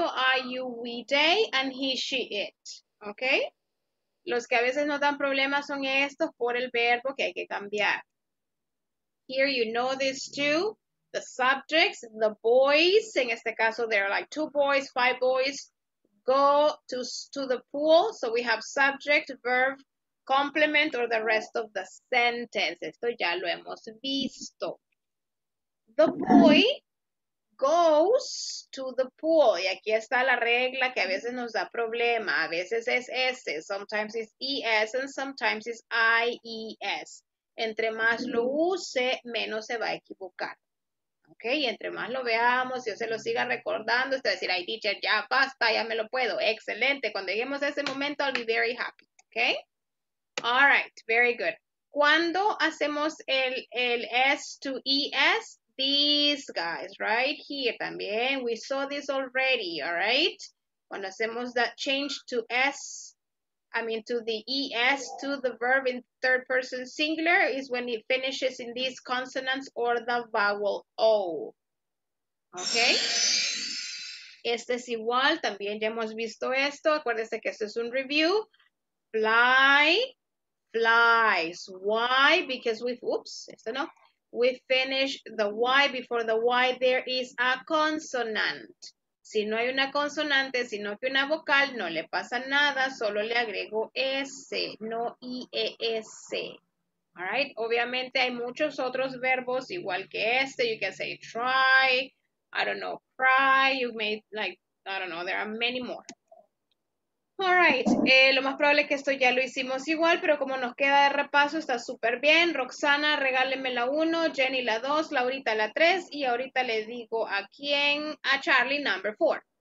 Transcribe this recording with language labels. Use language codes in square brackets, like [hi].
[en] I, you, we, they, and he, she, it. Okay? [es] Los que a veces nos dan problemas son estos por el verbo que hay que cambiar. [en] Here you know this too. The subjects, the boys. [es] En este caso, [en] there are like two boys, five boys. Go to the pool. So we have subject, verb, complement, or the rest of the sentence. [es] Esto ya lo hemos visto. [en] The boy goes to the pool. [es] Y aquí está la regla que a veces nos da problema. A veces es S, [en] sometimes it's ES, and sometimes it's IES. [es] Entre más lo use, menos se va a equivocar. Ok, y entre más lo veamos, yo se lo siga recordando, usted va a decir, ay, teacher, ya basta, ya me lo puedo. Excelente. Cuando lleguemos a ese momento, [en] I'll be very happy. [es] Ok. [en] All right, very good. [es] Cuando hacemos el [en] S to ES, these guys, right here, también. We saw this already, all right? When hacemos that change to S, I mean to the ES, to the verb in third person singular, is when it finishes in these consonants or the vowel O. Okay? [es] Este es igual, también ya hemos visto esto. Acuérdense que esto es un review. Fly, flies. Why? [en] Because we, oops, [es] esto no. [en] We finish the Y before the Y, there is a consonant. [es] Si no hay una consonante, sino que una vocal, no le pasa nada, solo le agrego S, no IES. [en] All right, [es] obviamente hay muchos otros verbos igual que este. [en] You can say try, I don't know, cry, you may, like, I don't know, there are many more. [es] All right, lo más probable es que esto ya lo hicimos igual, pero como nos queda de repaso, está súper bien. Roxana, regálenme la 1, Jenny la 2, Laurita la 3, y ahorita le digo a quién, a Charlie, [en] number 4.